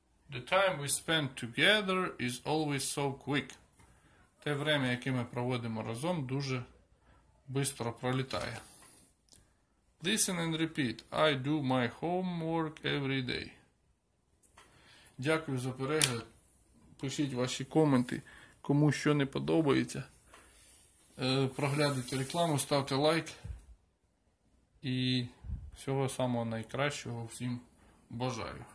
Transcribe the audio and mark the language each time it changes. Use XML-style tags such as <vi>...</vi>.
<en>The time we spend together is always so quick.</en> <uk>Те время, яке ми проводимо разом, дуже швидко пролітає.</uk> <en>Listen and repeat. I do my homework every day.</en> <uk>Дякую за перегляд. Пишіть ваші коменти, кому що не подобається. Проглядайте рекламу, ставте лайк. І всього самого найкращого всім бажаю.</uk>